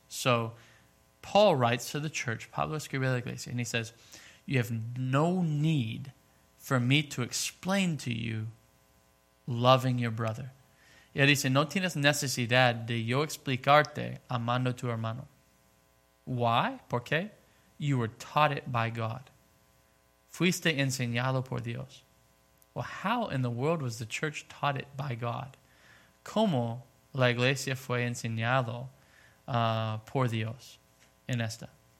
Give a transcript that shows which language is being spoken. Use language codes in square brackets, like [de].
[en] So Paul writes to the church, [es] Pablo escribe a la iglesia, [en] and he says, you have no need for me to explain to you loving your brother. [es] Y él dice, no tienes necesidad de yo explicarte amando a tu hermano. [en] Why? [es] ¿Por qué? [en] You were taught it by God. [es] Fuiste enseñado por Dios. [en] Well, how in the world was the church taught it by God? [es] ¿Cómo la iglesia fue enseñado por Dios en esta?